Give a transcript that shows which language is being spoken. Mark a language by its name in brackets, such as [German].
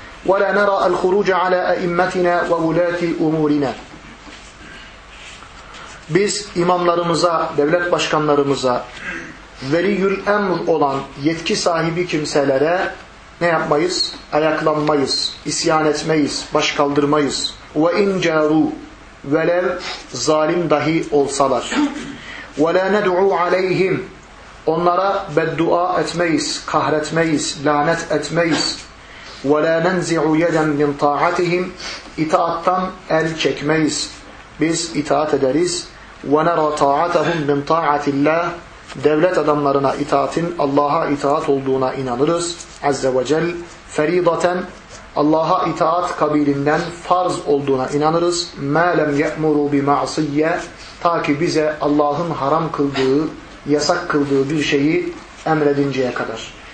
[Arabic] وَلَا نَرَا الْخُرُوجَ عَلَى اَئِمَّتِنَا وَوُلَاتِ اُمُورِنَا [Turkish] Biz imamlarımıza, devlet başkanlarımıza, veliyül emr olan yetki sahibi kimselere ne yapmayız? Ayaklanmayız, isyan etmeyiz, baş kaldırmayız. [Arabic] وَاِنْ جَارُوا وَلَوْ [Turkish] zalim dahi olsalar. [Arabic] وَلَا نَدْعُوا عَلَيْهِمْ [Turkish] onlara beddua etmeyiz, kahretmeyiz, lanet etmeyiz. [Arabic] وَلَا نَنْزِعُوا يَدًا مِنْ طَاعَتِهِمْ [Turkish] itaattan el çekmeyiz. Biz itaat ederiz. [Arabic] وَنَرَى طَاعَتَهُمْ مِنْ طَاعَةِ اللّٰهِ [Turkish] devlet adamlarına itaatin Allah'a itaat olduğuna inanırız. Azze ve Celle feridaten Allah'a itaat kabilinden farz olduğuna inanırız. [Arabic] مَا لَمْ يَأْمُرُوا بِمَعْصِيَّ [Turkish] ta ki bize Allah'ın haram kıldığı, yasak kıldığı bir şeyi emredinceye kadar.